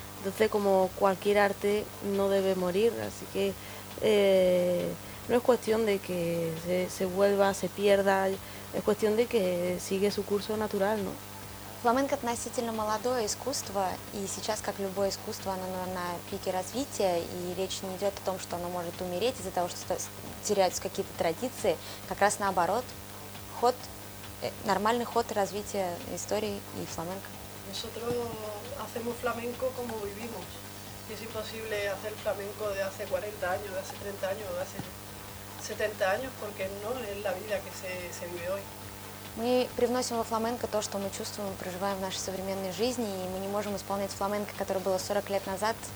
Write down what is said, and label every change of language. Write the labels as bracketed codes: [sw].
[es] Entonces, como cualquier arte, no debe morir, así que no es cuestión de que se vuelva, se pierda, es cuestión de que sigue su curso natural, ¿no? [ru] Фламенко относительно молодое искусство, и сейчас, как любое искусство, оно на пике развития, и речь не идет о том, что оно может умереть из-за того, что теряются какие-то традиции, как раз наоборот, ход, нормальный ход развития истории и фламенко. [es] Nosotros hacemos flamenco como vivimos. Es imposible hacer flamenco de hace 40 años, de hace 30 años, de hace 70 años, porque no es la vida que se vive hoy. [ru] Мы привносим во фламенко то, что мы чувствуем, проживаем в нашей современной жизни, и мы не можем исполнять фламенко, которое было 40 лет назад.